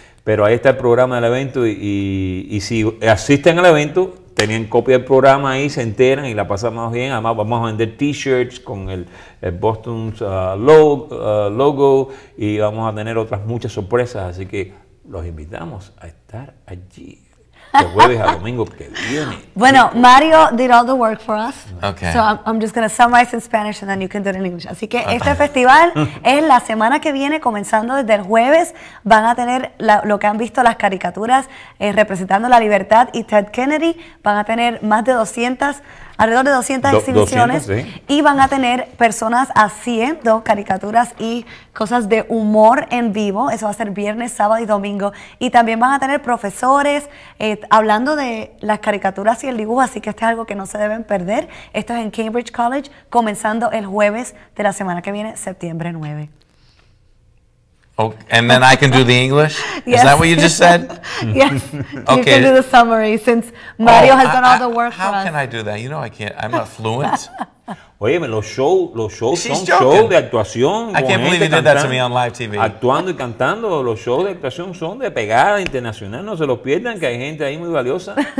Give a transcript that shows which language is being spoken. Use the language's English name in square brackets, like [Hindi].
[Spanish] Pero ahí está el programa del evento y si asisten al evento, tenían copia del programa ahí, se enteran y la pasamos bien. Además, vamos a vender t-shirts con el Boston's logo y vamos a tener otras muchas sorpresas. Así que los invitamos a estar allí de jueves a domingo que viene. [English] Bueno, Mario did all the work for us. Okay. So I'm just going to summarize in Spanish and then you can do it in English. [Spanish] Así que este festival es la semana que viene, comenzando desde el jueves. Van a tener lo que han visto, las caricaturas representando la libertad y Ted Kennedy. Van a tener más de 200, alrededor de 200 exhibiciones. 200, sí. Y van a tener personas haciendo caricaturas y cosas de humor en vivo. Eso va a ser viernes, sábado y domingo. Y también van a tener profesores hablando de las caricaturas y el dibujo. Así que esto es algo que no se deben perder. Esto es en Cambridge College, comenzando el jueves de la semana que viene, septiembre 9. [English] Okay. And then I can do the English? Yes. Is that what you just said? Yes. Okay. You can do the summary since Mario has done all the work for us. How can I do that? You know I can't. I'm not fluent. [Spanish] Oye, los shows [English] She's son joking. [Spanish] Shows de actuación. [English] I can't believe you did that to me on live TV. [Spanish] Actuando y cantando, los shows de actuación son de pegada internacional. No se los pierdan, que hay gente ahí muy valiosa.